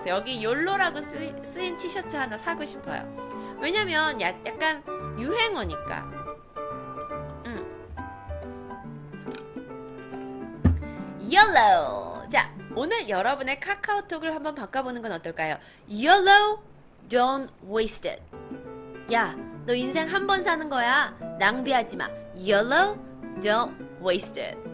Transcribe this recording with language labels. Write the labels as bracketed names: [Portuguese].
[Korean] 그래서 여기 YOLO라고 쓰인 티셔츠 하나 사고 싶어요. 왜냐면 약간 유행어니까. 옐로우. 자, 오늘 여러분의 카카오톡을 한번 바꿔보는 건 어떨까요? [English] 옐로우, don't waste it. [Korean] 야, 너 인생 한번 사는 거야. 낭비하지 마. [English] 옐로우, don't waste it.